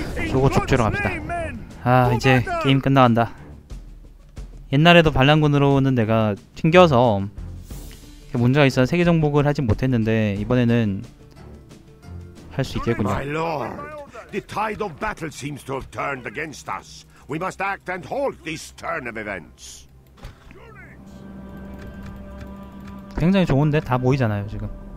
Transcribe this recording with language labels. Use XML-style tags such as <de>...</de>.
<ko>저거 죽지러 갑시다. 아, 이제 게임 끝나간다. 옛날에도 반란군으로는 내가 튕겨서 문제가 있어 세계 정복을 하진 못했는데 이번에는 할 수 있겠군요.</ko> <en>My lord, the tide of battle seems to have turned against us. We must act and halt this turn of events.</en> <ko>굉장히 좋은데 다 보이잖아요 지금.</ko>